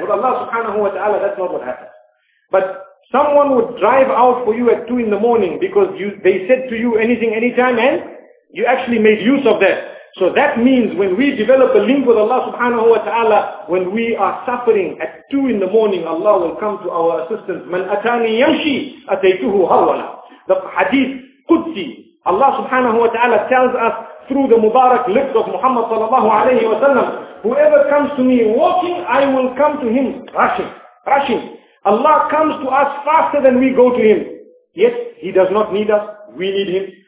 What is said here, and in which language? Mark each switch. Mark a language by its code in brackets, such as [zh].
[en] With Allah subhanahu wa ta'ala, that's not what happens. But someone would drive out for you at 2 in the morning because they said to you anything, anytime, and you actually made use of that. So that means when we develop a link with Allah subhanahu wa ta'ala, when we are suffering at 2 in the morning, Allah will come to our assistance. [ar] مَنْ أَتَانِي يَمْشِي أَتَيْتُهُ هَوَلَا. [en] The hadith Qudsi, Allah subhanahu wa ta'ala tells us through the Mubarak lips of Muhammad sallallahu alayhi wa sallam, whoever comes to me walking, I will come to him rushing, rushing. Allah comes to us faster than we go to Him. Yet He does not need us, we need Him.